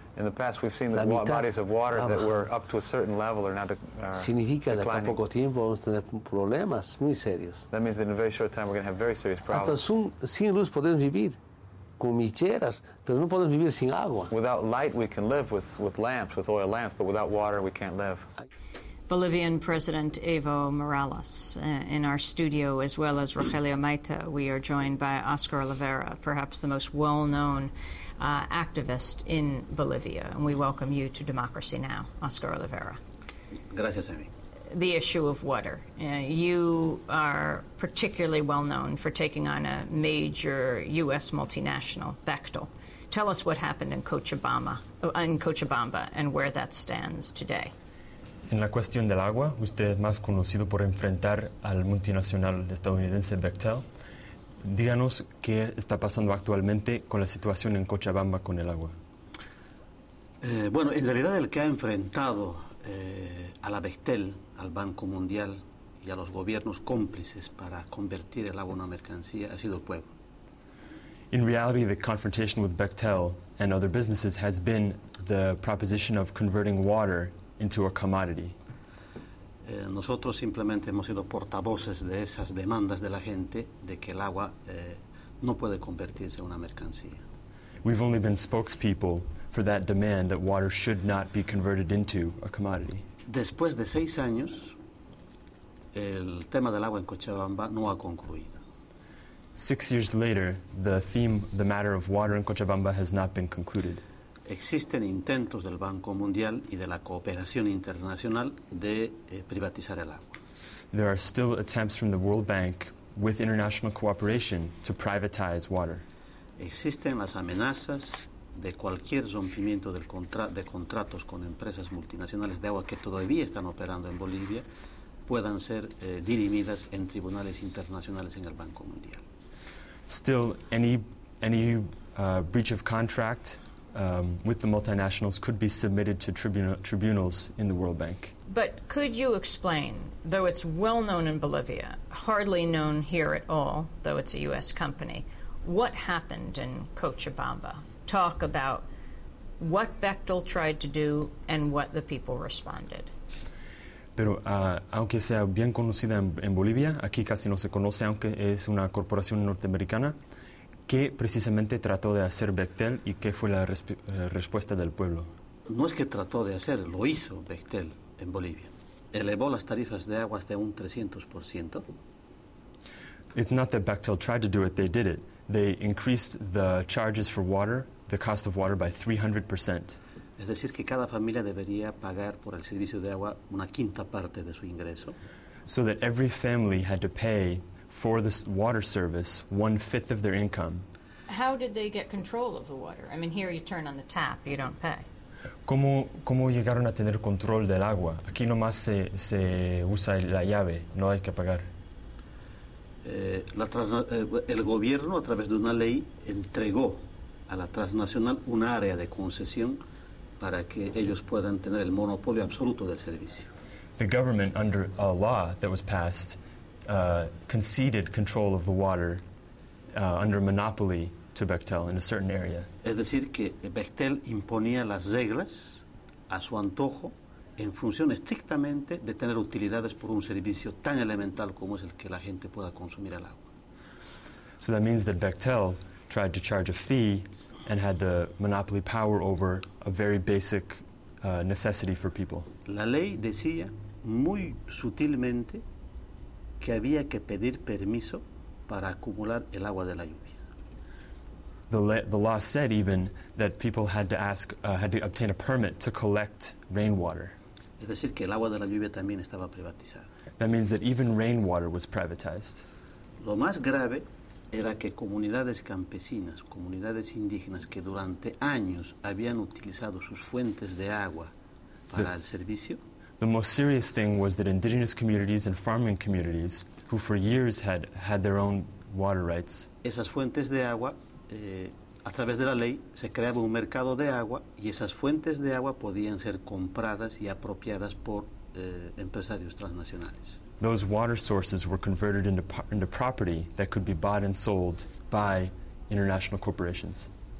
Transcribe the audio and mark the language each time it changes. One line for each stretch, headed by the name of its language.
English: In the past we've seen the bodies of water that were up to a certain level are now
Spanish: significa Significa que en poco tiempo vamos a tener problemas muy serios.
English: That means that in a very short time we're going to have very serious problems.
Spanish: Hasta sin luz podemos vivir. Con micheras, pero no podemos vivir sin agua.
English: Without light we can live with lamps, with oil lamps, but without water we can't live. Bolivian President Evo Morales in our studio, as well as Rogelio Maita. We are joined by Oscar Olivera, perhaps the most well-known activist in Bolivia. And we welcome you to Democracy Now!, Oscar Olivera.
Spanish: Gracias, Amy.
English: The issue of water. You are particularly well known for taking on a major U.S. multinational, Bechtel. Tell us what happened in Cochabamba and where that stands today.
Spanish: En la cuestión del agua, usted es más conocido por enfrentar al multinacional estadounidense Bechtel. Díganos qué está pasando actualmente con la situación en Cochabamba con el agua. Bueno, en realidad el que ha enfrentado a la Bechtel, al Banco Mundial y a los gobiernos cómplices para convertir el agua en una mercancía ha sido el pueblo.
English: In reality, the confrontation with Bechtel and other businesses has been the proposition of converting water into a commodity.
Spanish: Nosotros simplemente hemos sido portavoces de esas demandas de la gente de que el agua no puede convertirse en una mercancía.
English: We've only been spokespeople for that demand that water should not be converted into a commodity.
Spanish: Después de seis años, el tema del agua en Cochabamba no ha concluido.
English: Six years later, the matter of water in Cochabamba has not been concluded.
Spanish: Existen intentos del Banco Mundial y de la cooperación internacional de privatizar el agua.
English: There are still attempts from the World Bank with international cooperation to privatize water.
Spanish: Existen las amenazas de cualquier rompimiento de contratos con empresas multinacionales de agua que todavía están operando en Bolivia puedan ser dirimidas en tribunales internacionales en el Banco Mundial.
English: Still, any breach of contract with the multinationals could be submitted to tribunals in the World Bank. But could you explain, though it's well known in Bolivia, hardly known here at all, though it's a U.S. company, what happened in Cochabamba? Talk about what Bechtel tried to do and what the people responded.
Spanish: Pero aunque sea bien conocida en Bolivia, aquí casi no se conoce, aunque es una corporación norteamericana, ¿qué precisamente trató de hacer Bechtel y qué fue la respuesta del pueblo? No es que trató de hacer, lo hizo Bechtel en Bolivia. Elevó las tarifas de agua hasta un 300%.
English: It's not that Bechtel tried to do it, they did it. They increased the charges for water, the cost of water, by 300%.
Spanish: Es decir, que cada familia debería pagar por el servicio de agua una quinta parte de su ingreso.
English: So that every family had to pay for the water service one-fifth of their income. How did they get control of the water? I mean, here you turn on the tap, you don't pay.
Spanish: ¿Cómo llegaron a tener control del agua? Aquí nomás se usa la llave, no hay que pagar. El gobierno, a través de una ley, entregó a la transnacional un área de concesión para que ellos puedan tener el monopolio absoluto del servicio.
English: The government, under a law that was passed, conceded control of the water under monopoly to Bechtel in a certain area.
Spanish: Es decir, que Bechtel imponía las reglas a su antojo en función estrictamente de tener utilidades por un servicio tan elemental como es el que la gente pueda consumir el agua.
English: So that means that Bechtel tried to charge a fee and had the monopoly power over a very basic necessity for people.
Spanish: La ley decía muy sutilmente que había que pedir permiso para acumular el agua de la lluvia.
English: The law said even that people had to ask, had to obtain a permit to collect rainwater.
Spanish: Es decir, que el agua de la lluvia también estaba privatizada.
English: That means that even rainwater was privatized.
Spanish: Lo más grave era que comunidades campesinas, comunidades indígenas que durante años habían utilizado sus fuentes de agua para el servicio.
English: The most serious thing was that indigenous communities and farming communities, who for years had their own water rights.
Spanish: Esas fuentes de agua, a través de la ley, se creaba un mercado de agua y esas fuentes de agua podían ser compradas y apropiadas por empresarios transnacionales.
English: Those water sources were converted into property that could be bought and sold by international corporations.